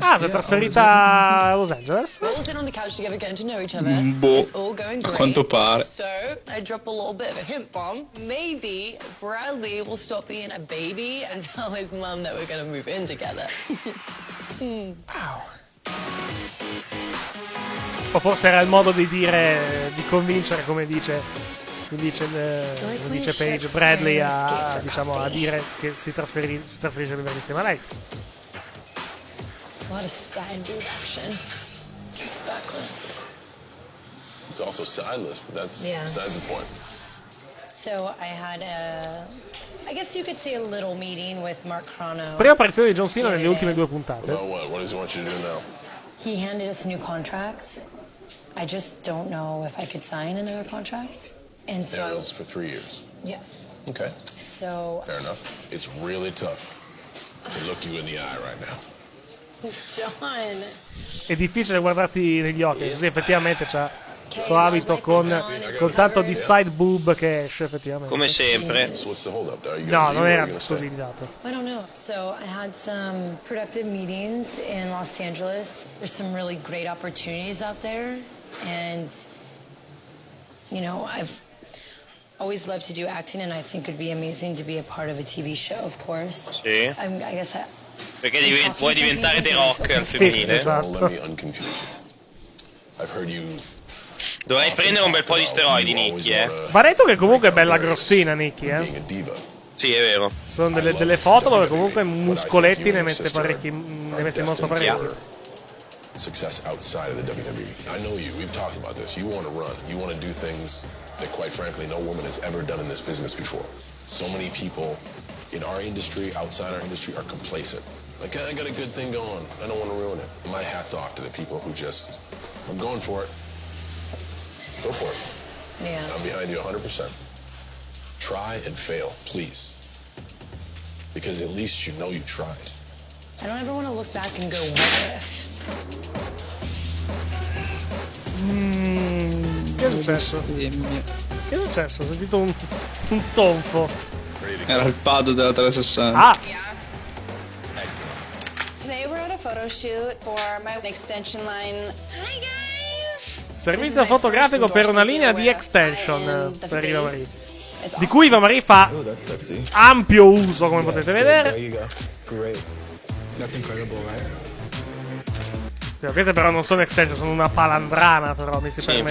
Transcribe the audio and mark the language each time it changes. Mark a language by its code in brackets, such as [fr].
[it] Ah, sei trasferita a Los Angeles? [en] We're all sitting on the couch together getting to know each other. It's all going great. [it] A quanto pare. [en] So, I drop a little bit of a hint bomb. Maybe Bradley will stop being a baby and tell his mum that we're gonna move in together. Wow. [it] O forse era il modo di dire, di convincere, come dice... Dice Paige Bradley a, diciamo, a dire che si trasferisce a vivere insieme a lei. [en] What a signed action. It's backless. It's also signless, but that's besides the point. So I had a, I guess you could say a little meeting with Mark Crano. [it] Prima apparizione di John Cena nelle ultime due puntate. [en] What does he want you to do now? He handed us new contracts. I just don't know if I could sign another contract. And so it was for 3 years. Yes. Okay. So fair enough. It's really tough to look you in the eye right now. John. [it] È difficile guardarti negli occhi. Yeah. Sì, effettivamente c'ha questo abito con tanto di side boob che esce effettivamente. Come sempre. No, non era così dato. [en] I don't know. So I had some productive meetings in Los Angeles. There's some really great opportunities out there, and you know I've always loved to do acting, and I think it'd be amazing to be a part of a TV show, of course. [it] Sì. [en] I'm, I guess I, [it] perché puoi diventare The Rock al femminile. Esatto. [en] I've heard you. [it] Dovrei prendere un bel po' di steroidi, Nicky. Ma detto che comunque è bella grossina, Nicky. Sì, è vero. Sono delle, delle foto dove comunque muscoletti ne mette parecchi, ne mette molto parecchi. [en] Success outside of the WWE. I know you, we've talked about this. You want to run, you want to do things that quite frankly no woman has ever done in this business before. So many people in our industry, outside our industry, are complacent. Like, I got a good thing going, I don't want to ruin it. My hat's off to the people who just, I'm going for it. Go for it. Yeah. I'm behind you 100%. Try and fail, please. Because at least you know you tried. I don't ever want to look back and go, what if? [it] Che è successo? Che è successo? Ho sentito un tonfo. Era il pad della 360. Ah! [en] Today we're at a photo shoot for my extension line. Hi guys! [it] Servizio fotografico per una linea di extension per Riva Marie. Di cui Riva Marie fa ampio uso, come potete vedere. [en] That's incredible, right? [it] Sì, queste però non sono extension, sono una palandrana, però mi si permette.